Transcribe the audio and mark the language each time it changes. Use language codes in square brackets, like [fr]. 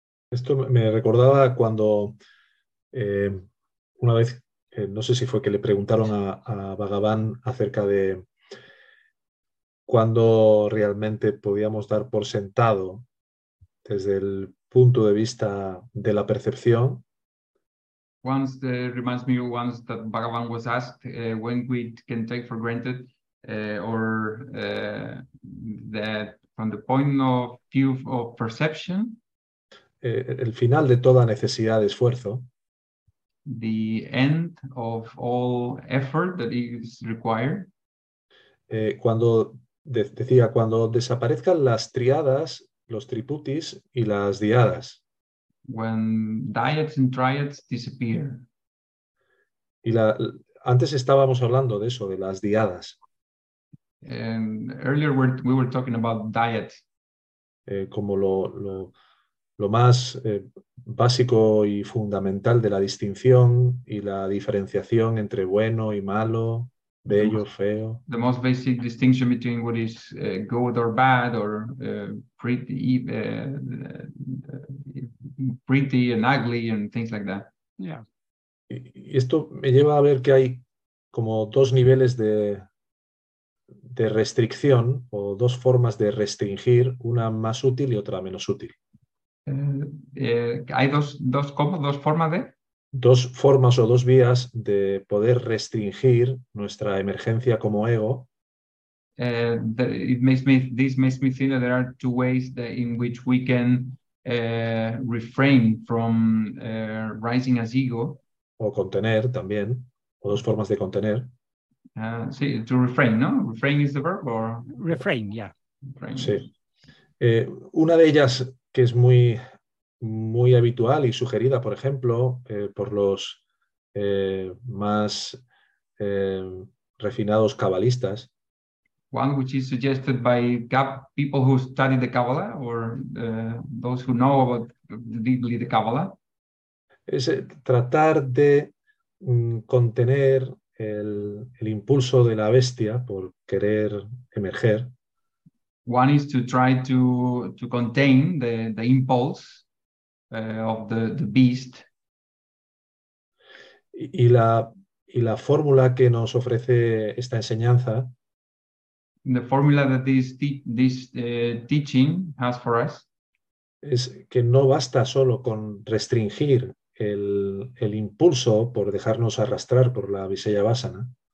[es] Esto me recordaba cuando una vez, no sé si fue que le preguntaron a Bhagavan acerca de cuando realmente podíamos dar por sentado desde el punto de vista de la percepción. [en] Once reminds me once that Bhagavan was asked when we can take for granted that from the point of view of perception. [es] El final de toda necesidad de esfuerzo. [en] The end of all effort that is required. [es] Decía, cuando desaparezcan las triadas, los triputis y las diadas. [en] When dyads and triads disappear. [es] Y antes estábamos hablando de eso, de las diadas. [en] And earlier we were talking about dyads. [es] Como lo más básico y fundamental de la distinción y la diferenciación entre bueno y malo. Bello, feo. [en] The most basic distinction between what is good or bad or pretty and ugly and things like that. Yeah. [es] Y esto me lleva a ver que hay como dos niveles de restricción o dos formas de restringir, una más útil y otra menos útil. Hay dos como dos formas de. Dos formas o dos vías de poder restringir nuestra emergencia como ego. [en] This makes me think that there are two ways that in which we can refrain from rising as ego. [es] O contener también, o dos formas de contener. [en] Sí, to refrain, [es] ¿no? [en] Refrain is the verb, or refrain, yeah. Refrain. [es] Sí. Una de ellas que es muy... muy habitual y sugerida, por ejemplo, por los más refinados cabalistas. [en] One which is suggested by people who study the Kabbalah or those who know about deeply the Kabbalah. [es] Es tratar de contener el impulso de la bestia por querer emerger. [en] One is to try to contain the impulse. Of the beast. [es] Y la fórmula que nos ofrece esta enseñanza. [en] The formula that this teaching has for us. [es] Es que no basta solo con restringir el impulso por dejarnos arrastrar por la Vishaya Vasana.